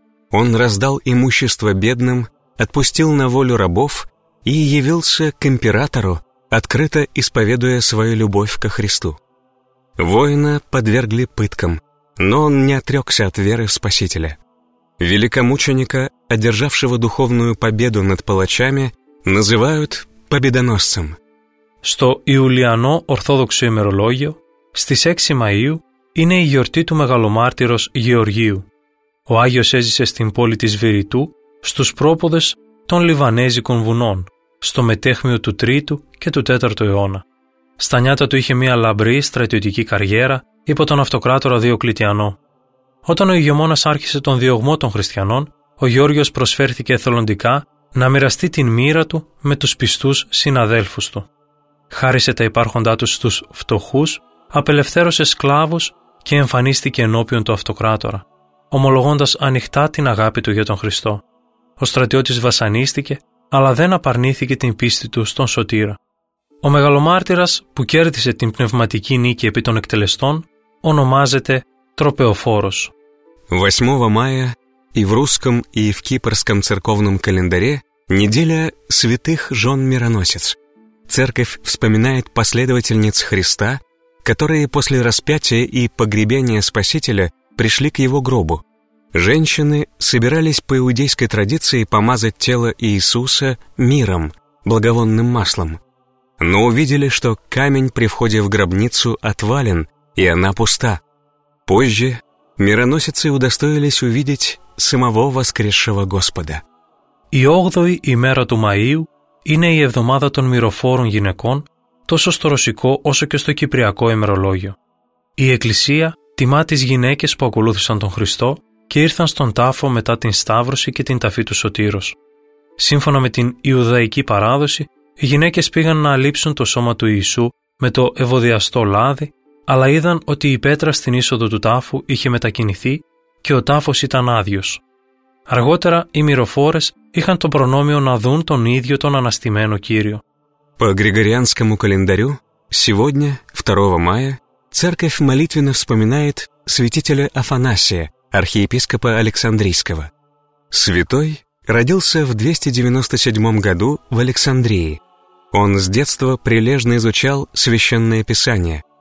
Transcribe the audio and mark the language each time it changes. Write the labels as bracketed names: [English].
[Russian] Он раздал имущество бедным, отпустил на волю рабов и явился к императору, открыто исповедуя свою любовь ко Христу. Воина подвергли пыткам, но он не отрекся от веры в Спасителя. Великомученика, одержавшего духовную победу над палачами, называют победоносцем. [Greek] Στο Ιουλιανό Ορθόδοξο ημερολόγιο, στις 6 Μαΐου, είναι η γιορτή του Μεγαλομάρτυρος Γεωργίου. Ο Άγιος έζησε στην πόλη της Βηρητού, στους πρόποδες των Λιβανέζικων βουνών, στο μετέχμιο του 3ου και του 4ου αιώνα. Στα νιάτα του είχε μία λαμπρή στρατιωτική καριέρα υπό τον αυτοκράτορα Διοκλητιανό. Όταν ο ηγεμόνας άρχισε τον διωγμό των χριστιανών, ο Γεώργιος προσφέρθηκε εθελοντικά να μοιραστεί την μοίρα του με τους πιστούς συναδέλφους του. Χάρισε τα υπάρχοντά του στους φτωχούς, απελευθέρωσε σκλάβους και εμφανίστηκε ενώπιον του αυτοκράτορα, ομολογώντας ανοιχτά την αγάπη του για τον Χριστό. Ο στρατιώτης βασανίστηκε, αλλά δεν απαρνήθηκε την πίστη του στον Σωτήρα. Ο Μεγαλομάρτυρας που κέρδισε την πνευματική νίκη επί των εκτελεστών ονομάζεται Тропеофорос. [Russian] 8 мая и в русском, и в кипрском церковном календаре неделя святых жен мироносец. Церковь вспоминает последовательниц Христа, которые после распятия и погребения Спасителя пришли к его гробу. Женщины собирались по иудейской традиции помазать тело Иисуса миром, благовонным маслом. Но увидели, что камень при входе в гробницу отвален, и она пуста. Позже мироносицы удостоились увидеть самого воскресшего Господа. [Greek] Η 8η ημέρα του Μαΐου είναι η εβδομάδα των μυροφόρων γυναικών τόσο στο ρωσικό όσο και στο κυπριακό ημερολόγιο. Η Εκκλησία τιμά τις γυναίκες που ακολούθησαν τον Χριστό και ήρθαν στον τάφο μετά την Σταύρωση και την ταφή του Σωτήρος. Σύμφωνα με την Ιουδαϊκή παράδοση, οι γυναίκες πήγαν να αλείψουν το σώμα του Ιησού με το ευωδιαστό λάδι, αλλά είδαν ότι η πέτρα στην είσοδο του τάφου είχε μετακινηθεί και ο τάφος ήταν άδειος. Αργότερα οι μυροφόρες είχαν το προνόμιο να δουν τον ίδιο τον αναστημένο Κύριο. [Russian] По Григорианскому календарю сегодня, 2 мая, церковь молитвенно вспоминает святителя Афанасия, архиепископа Александрийского. Святой родился в 297 году в Александрии. Он с детства прилежно изучал священное писание.